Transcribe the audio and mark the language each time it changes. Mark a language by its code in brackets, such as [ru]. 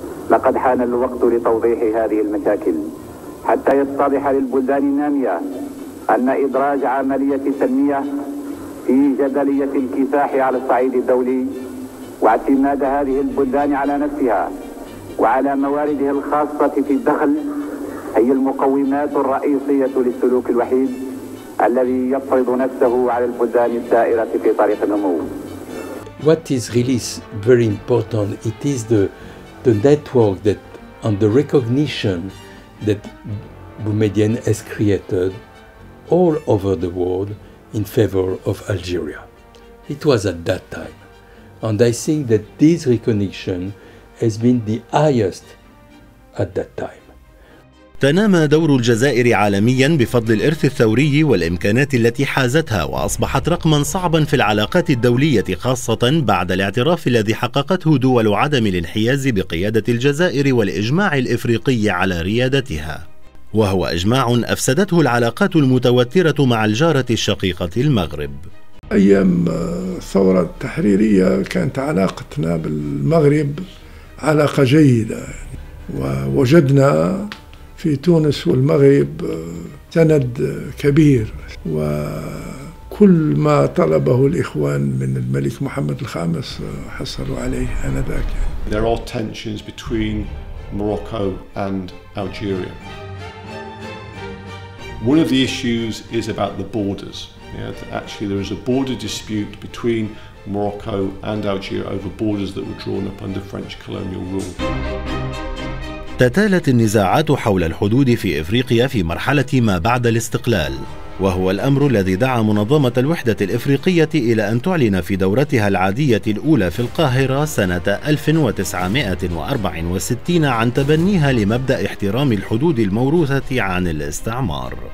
[ar] لقد حان الوقت لتوضيح هذه المشاكل حتى يتضح للبلدان النامية أن إدراج عملية تنمية في جدلية الكفاح على الصعيد الدولي واعتماد هذه البلدان على نفسها وعلى موارده الخاصة في الدخل هي المقومات الرئيسية للسلوك الوحيد الذي يفرض نفسه على البلدان السائرة في طريق النمو. [en] What is really very important, it is the network that and the recognition that Boumedien has created all over the world in favor of Algeria. It was at that time. And I think that this recognition has been the highest at that time. [ar] تنامى دور الجزائر عالميا بفضل الإرث الثوري والإمكانات التي حازتها، وأصبحت رقما صعبا في العلاقات الدولية، خاصة بعد الاعتراف الذي حققته دول عدم الانحياز بقيادة الجزائر والإجماع الإفريقي على ريادتها، وهو إجماع أفسدته العلاقات المتوترة مع الجارة الشقيقة المغرب. أيام الثورة التحريرية كانت علاقتنا بالمغرب علاقة جيدة، ووجدنا في تونس والمغرب سند كبير، وكل ما طلبه الإخوان من الملك محمد الخامس حصلوا عليه آنذاك. [en] There are tensions between Morocco and Algeria. One of the issues is about the borders. Yeah, actually there is a border dispute between Morocco and Algeria over borders that were drawn up under French colonial rule. [ar] تتالت النزاعات حول الحدود في إفريقيا في مرحلة ما بعد الاستقلال، وهو الأمر الذي دعا منظمة الوحدة الإفريقية إلى أن تعلن في دورتها العادية الأولى في القاهرة سنة 1964 عن تبنيها لمبدأ احترام الحدود الموروثة عن الاستعمار.